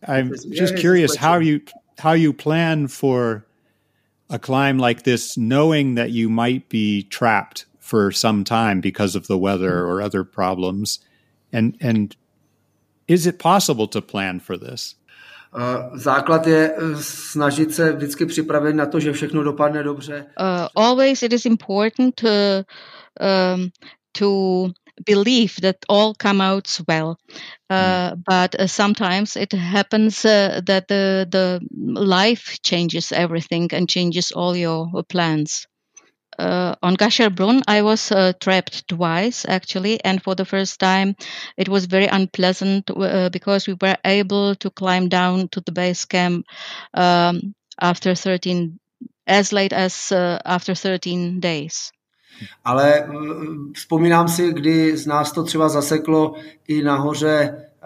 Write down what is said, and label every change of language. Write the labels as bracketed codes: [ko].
[en] I'm just curious how you plan for a climb like this, knowing that you might be trapped for some time because of the weather or other problems. And is it possible to plan for this? [cs] Základ je snažit se vždycky připravit na to, že všechno dopadne dobře. [en] Always it is important to believe that all come out well. But sometimes it happens that the life changes everything and changes all your plans. On Gasherbrum, I was trapped twice, actually, and for the first time, it was very unpleasant because we were able to climb down to the base camp after 13 days. [cs] Ale vzpomínám si, kdy z nás to třeba zaseklo i nahoře.